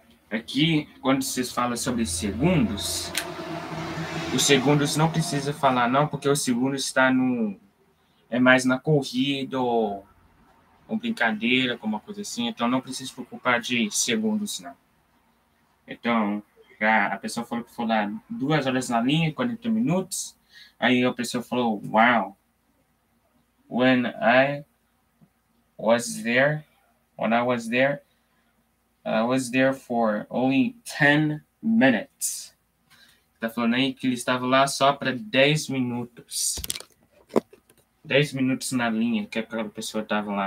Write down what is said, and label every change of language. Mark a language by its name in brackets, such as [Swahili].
[Portuguese] Aqui, quando vocês falam sobre segundos, os segundos não precisa falar não, porque o segundo está no... É mais na corrida ou brincadeira, alguma coisa assim. Então, não precisa se preocupar de segundos, não. Então, a pessoa falou que foi lá 2 horas na linha, 40 minutos. Aí a pessoa falou, [English] wow, when I was there, I was there for only 10 minutes. [Portuguese] Tá falando aí que ele estava lá só para 10 minutos. 10 minutos na linha que aquela pessoa estava lá.